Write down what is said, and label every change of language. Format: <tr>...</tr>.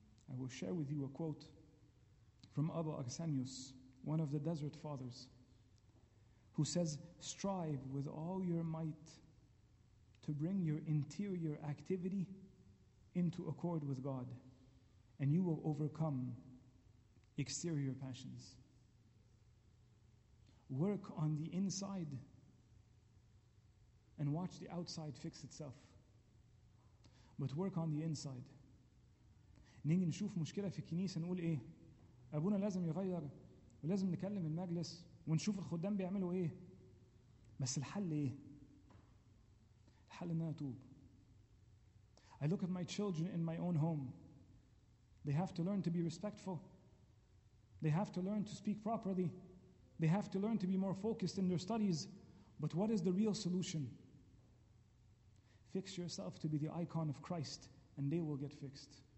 <en>I will share with you a quote from Abba Arsenius, one of the desert fathers, who says, strive with all your might to bring your interior activity into accord with God, and you will overcome exterior passions. Work on the inside and watch the outside fix itself. But work on the inside.</en> <ar>نيجي نشوف مشكلة في الكنيسة نقول إيه؟ أبونا لازم يغير ولازم نكلم المجلس ونشوف الخدام بيعملوا إيه؟ بس الحل إيه؟ الحل إن أنا أتوب.</ar> <en>I look at my children in my own home. They have to learn to be respectful. They have to learn to speak properly. They have to learn to be more focused in their studies. But what is the real solution? Fix yourself to be the icon of Christ and they will get fixed.</en>